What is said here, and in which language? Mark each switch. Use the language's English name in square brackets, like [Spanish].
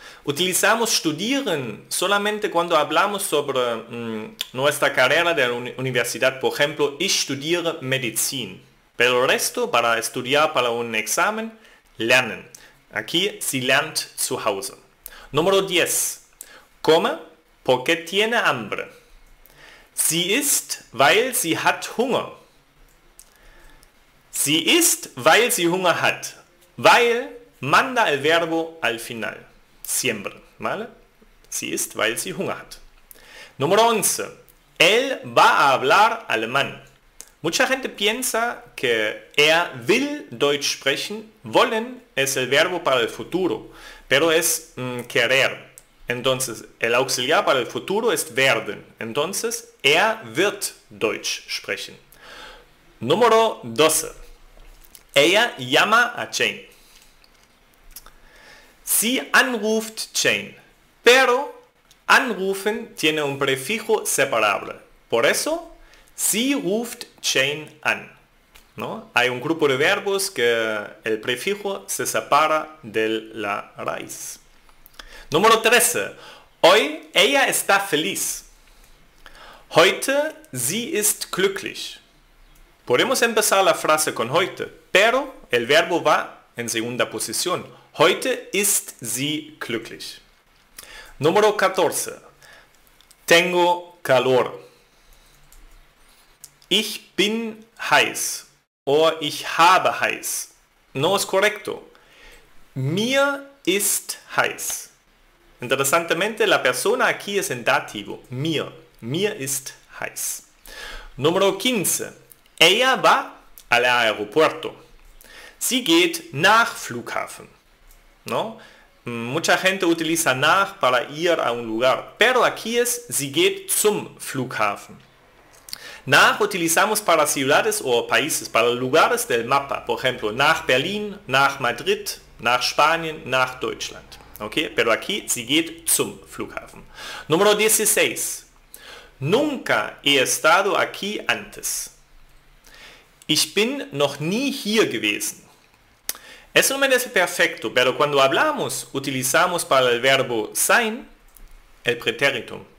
[Spanish] Utilizamos studieren solamente cuando hablamos sobre nuestra carrera de la universidad. Por ejemplo, [German] ich studiere Medizin. [Spanish] Pero el resto, para estudiar para un examen, lernen. Aquí, [German] sie lernt zu Hause. [Spanish] Número 10. Come porque tiene hambre. [German] Sie isst, weil sie hat Hunger. Sie isst, weil sie Hunger hat. [Spanish] Weil, manda el verbo al final. Siempre, ¿vale? [German] Sie isst, weil sie Hunger hat. [Spanish] Número 11. Él va a hablar alemán. Mucha gente piensa que [German] er will Deutsch sprechen. [Spanish] Wollen es el verbo para el futuro. Pero es querer. Entonces, el auxiliar para el futuro es werden. Entonces, [German] er wird Deutsch sprechen. [Spanish] Número 12. Ella llama a Jane. [German] Sie anruft Jane. [Spanish] Pero, anrufen tiene un prefijo separable. Por eso, [German] sie ruft Jane an. [Spanish] ¿No? Hay un grupo de verbos que el prefijo se separa de la raíz. Número 13. Hoy ella está feliz. [German] Heute sie ist glücklich. [Spanish] Podemos empezar la frase con heute, pero el verbo va en segunda posición. [German] Heute ist sie glücklich. [Spanish] Número 14. Tengo calor. [German] Ich bin heiß. O ich habe heiß. [Spanish] No es correcto. [German] Mir ist heiß. [Spanish] Interesantemente, la persona aquí es en dativo. [German] Mir. Mir ist heiß. [Spanish] Número 15. Ella va al aeropuerto. [German] Sie geht nach Flughafen. [Spanish] ¿no? Mucha gente utiliza nach para ir a un lugar, pero aquí es [German] sie geht zum Flughafen. [Spanish] Nach utilizamos para ciudades o países, para lugares del mapa. Por ejemplo, [German] nach Berlin, nach Madrid, nach Spanien, nach Deutschland. [Spanish] Okay? Pero aquí, [German] sie geht zum Flughafen. [Spanish] Número 16. Nunca he estado aquí antes. [German] Ich bin noch nie hier gewesen. [Spanish] Eso no merece perfecto, pero cuando hablamos, utilizamos para el verbo sein, el pretérito.